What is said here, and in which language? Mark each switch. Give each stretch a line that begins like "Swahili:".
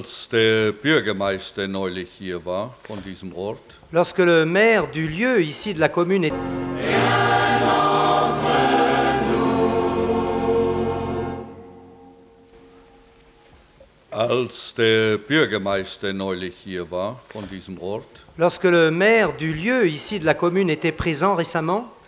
German: der Bürgermeister neulich hier war von diesem Ort.
French: Lorsque le maire du lieu ici de la commune est.
German: Als der Bürgermeister neulich hier war von diesem Ort.
French: Lorsque le maire du lieu ici de la commune était présent récemment.